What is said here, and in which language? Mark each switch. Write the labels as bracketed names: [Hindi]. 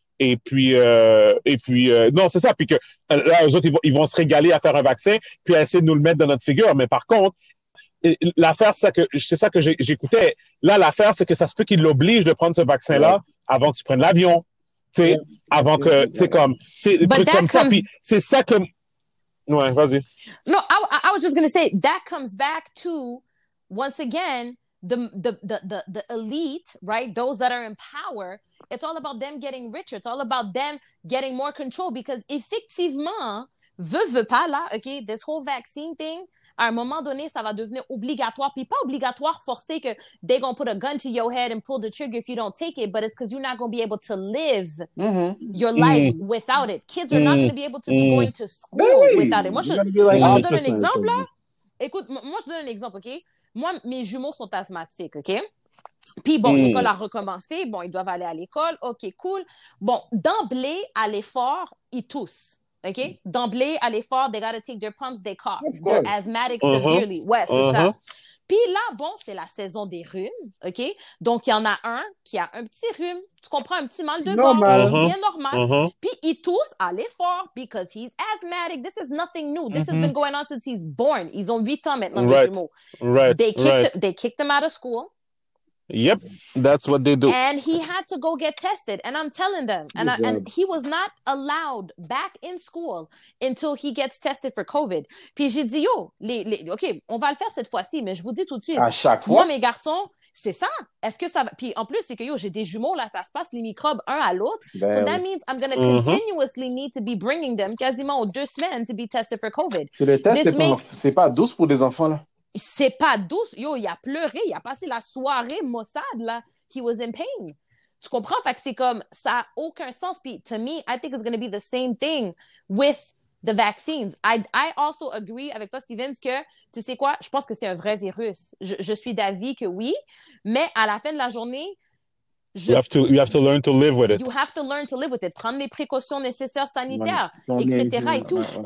[French] Et puis, non, c'est ça. Puis que là, eux autres, ils vont se régaler à faire un vaccin, puis à essayer de nous le mettre dans notre figure. Mais par contre, l'affaire, c'est ça que j'écoutais. Là, l'affaire, c'est que ça se peut qu'ils l'obligent de prendre ce vaccin-là avant que tu prennes l'avion. Tu sais, avant que, tu sais, comme, tu sais, des trucs comme ça. Puis c'est ça que. Ouais, vas-y. [English] No, I was just going to say, that comes back to, once again, the elite, right? Those that are in power. It's all about them getting richer. It's all about them getting more control because [French] effectivement, veut pas là, okay? [English] This whole vaccine thing, [French] à un moment donné, ça va devenir obligatoire, puis pas obligatoire forcé que [English] they gonna put a gun to your head and pull the trigger if you don't take it, but it's because you're not gonna be able to live your life without it. Kids are not gonna be able to be going to school without it. [French] Moi, je donne un exemple, là. Écoute, moi, je donne un exemple, okay? Moi, mes jumeaux sont asthmatiques, okay? Puis bon, l'école a recommencé. Bon, ils doivent aller à l'école. OK, cool. Bon, d'emblée, à l'effort, ils toussent. OK? D'emblée, à l'effort, [English] they gotta take their pumps, they cough. They're asthmatic severely. [French] Ouais, c'est ça. Puis là, bon, c'est la saison des rhumes. OK? Donc, il y en a un qui a un petit rhume. Tu comprends? Un petit mal de gorge. Bien normal. Puis il tousse à l'effort [English] because he's asthmatic. This is nothing new. This has been going on since he's born. [French] Ils ont 8 ans maintenant, les jumeaux. [English] Right. They kicked him out of school. Yep, that's what they do. And he had to go get tested. And I'm telling them, and he was not allowed back in school until he gets tested for COVID. [French] Puis j'ai dit, yo, OK, on va le faire cette fois-ci, mais je vous dis tout de suite. À chaque fois? Moi, mes garçons, c'est ça. Est-ce que ça va? Puis en plus, c'est que, yo, j'ai des jumeaux, là, ça se passe les microbes un à l'autre. [English] Ben, so that means I'm going to continuously need to be bringing them [French] quasiment aux 2 semaines [English] to be tested for COVID. [French] Puis le test, c'est pas douce pour des enfants, là. C'est pas douce. Yo, il a pleuré. Il a passé la soirée Mossad, là. [English] He was in pain. [French] Tu comprends? Fait que c'est comme, ça a aucun sens. [English] Puis, to me, I think it's going to be the same thing with the vaccines. I also agree [French] avec toi, Steven, que, tu sais quoi? Je pense que c'est un vrai virus. Je suis d'avis que oui. Mais à la fin de la journée, [English] You have to learn to live with it. You have to learn to live with it. [French] Prendre les précautions nécessaires sanitaires, etc. et tout.